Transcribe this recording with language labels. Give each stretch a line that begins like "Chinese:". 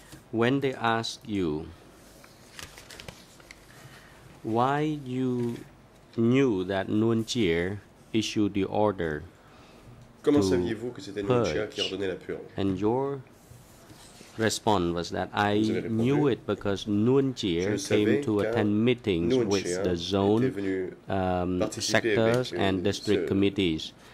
English: When they ask you why you knew that Nuon Chia issued the order,
French: comment saviez-vous que c'était Nuon Chia qui ordonnait la purge?
English: And your response was that I knew it because Nuon Chia came to attend meetings with the zone sectors and district committees.